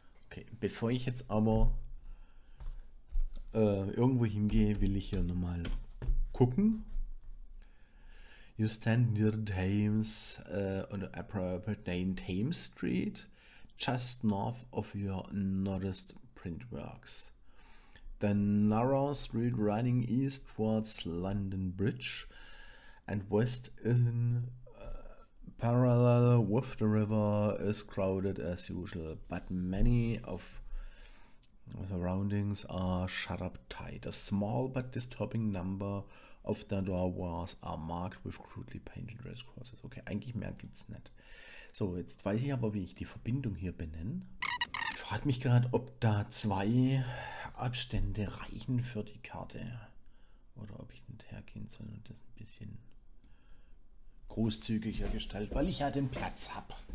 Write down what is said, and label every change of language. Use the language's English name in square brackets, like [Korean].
[German] Okay, bevor ich jetzt aber irgendwo hingehe, will ich hier nochmal gucken. [English] You stand near the Thames, on the appropriate name, Thames Street, just north of your northeast printworks. The narrow street running east towards London Bridge and west in parallel with the river is crowded as usual, but many of surroundings are shut up tight. A small but disturbing number of the door walls are marked with crudely painted red crosses. [German] Okay, eigentlich mehr gibt's nicht. So, jetzt weiß ich aber, wie ich die Verbindung hier benenne. Ich frage mich gerade, ob da zwei Abstände reichen für die Karte oder ob ich hinterhergehen soll und das ein bisschen großzügiger gestalten, weil ich ja den Platz habe.